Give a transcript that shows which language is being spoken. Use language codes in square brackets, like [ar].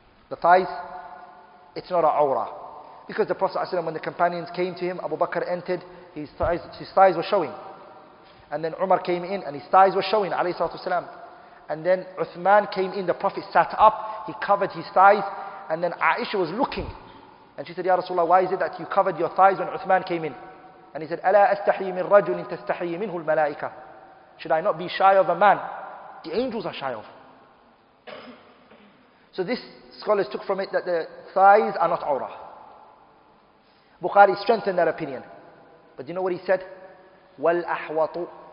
[en] The thighs, it's not an awra. Because the Prophet ﷺ, when the companions came to him, Abu Bakr entered, his thighs were showing. And then Umar came in and his thighs were showing, alayhi salatu wasalam. And then Uthman came in, the Prophet sat up, he covered his thighs, and then Aisha was looking. And she said, Ya Rasulullah, why is it that you covered your thighs when Uthman came in? And he said, [ar] أَلَا أَسْتَحِي مِن رَجُلٍ تَسْتَحِي مِنْهُ الْمَلَائِكَةِ. [en] Should I not be shy of a man? The angels are shy of. So this scholars took from it that the thighs are not awrah. Bukhari strengthened that opinion. But do you know what he said? [ar] وَالْأَحْوَطُ.